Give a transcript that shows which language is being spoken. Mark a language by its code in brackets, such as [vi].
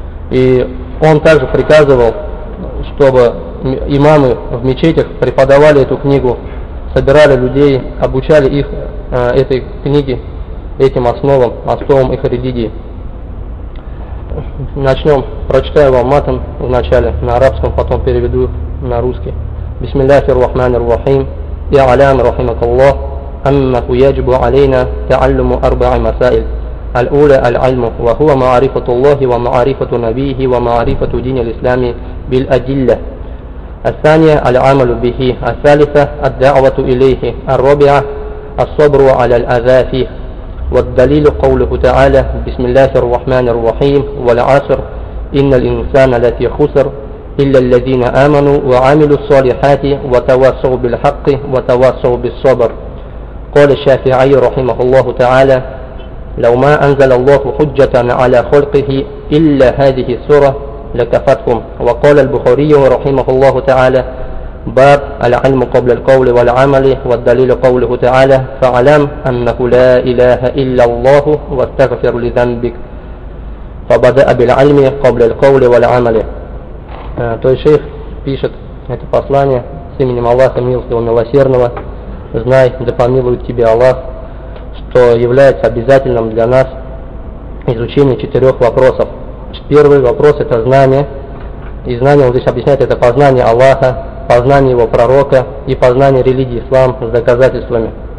[ru] И он также приказывал, чтобы имамы в мечетях преподавали эту книгу, собирали людей, обучали их этой книге, этим основам, основам их религии. Начнем, прочитаю вам матом вначале на арабском, потом переведу на русский. [ar] Бисмиллахи ррахмани ррахим. И алям рахимакаллах. أنه يجب علينا تعلم أربع مسائل الأولى العلم وهو معرفة الله ومعرفة نبيه ومعرفة دين الإسلام بالأدلة الثانية العمل به الثالثة الدعوة إليه الرابعة الصبر على الأذى فيه والدليل قوله تعالى بسم الله الرحمن الرحيم والعصر إن الإنسان لفي خسر إلا الذين آمنوا وعملوا الصالحات وتواصوا بالحق وتواصوا بالصبر قال الشافعي رحمه الله تعالى لو ما أنزل الله حجة على خلقه إلا هذه السورة لكفتكم وقال البخاري رحمه الله تعالى باب العلم قبل القول والعمل والدليل قوله تعالى فعلم أنه لا إله إلا الله واستغفر لذنبك فبدأ بالعلم قبل القول والعمل. [ru] То есть шейх пишет это послание с именем Аллаха Милостивого Милосердного. Знай, да помилует тебе Аллах, что является обязательным для нас изучение четырех вопросов. Первый вопрос – это знание. И знание, он здесь объясняет, это познание Аллаха, познание его пророка и познание религии ислам с доказательствами.